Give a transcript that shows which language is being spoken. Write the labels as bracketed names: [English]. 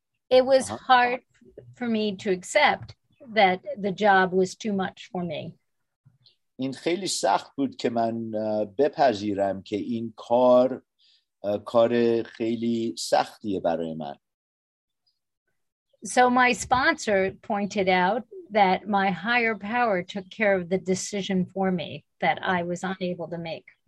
[English] It was hard for me to accept that the job was too much for me. [Persian] این خیلی سخت بود که من بپذیرم که این کار کار خیلی سختیه برای من. [English] So my sponsor pointed out that my higher power took care of the decision for me that I was unable to make.